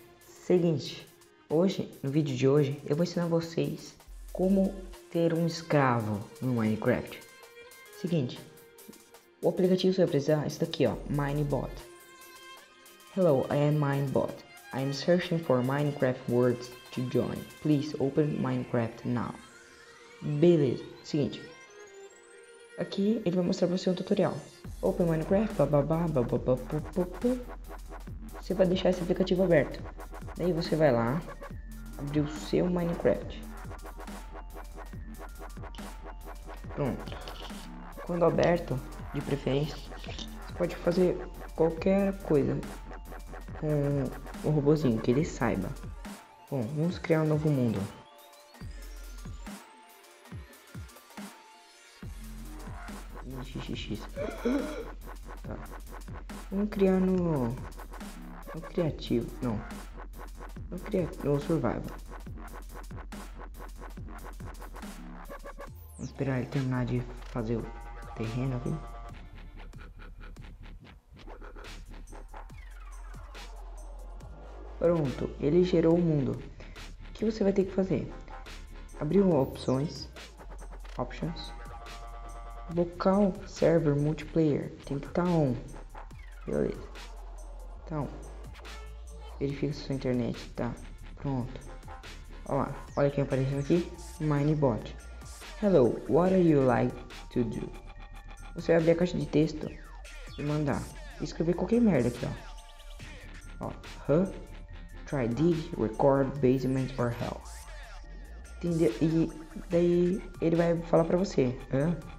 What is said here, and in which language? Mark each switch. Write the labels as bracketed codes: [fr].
[pt] Seguinte, hoje, no vídeo de hoje, eu vou ensinar vocês como ter um escravo no Minecraft. Seguinte, o aplicativo que você vai precisar é esse daqui, ó, Minebot. [en] Hello, I am Minebot. I am searching for Minecraft words to join. Please open Minecraft now. [pt] Beleza, seguinte. Aqui ele vai mostrar pra você um tutorial. [en] Open Minecraft, [pt] bababá, bababá, bababá. Você vai deixar esse aplicativo aberto. Daí você vai lá abrir o seu Minecraft. Pronto. Quando aberto, de preferência, você pode fazer qualquer coisa com o robôzinho, que ele saiba. Bom, vamos criar um novo mundo. XXX. Tá. Vamos criar no... no criativo, não. No criativo, no survival. Vamos esperar ele terminar de fazer o terreno aqui. Pronto, ele gerou o mundo. O que você vai ter que fazer? Abrir opções. Options. [en] Local server multiplayer. [pt] Tem que estar on. Beleza. Então, verifica se sua internet tá pronto. Olha lá, olha quem apareceu aqui. Minebot. [en] Hello, what do you like to do? [pt] Você vai abrir a caixa de texto e mandar. E escrever qualquer merda aqui, ó. Ó, huh? [en] Try dig, record, basement or hell. [pt] Entendeu? E daí ele vai falar pra você. Hã?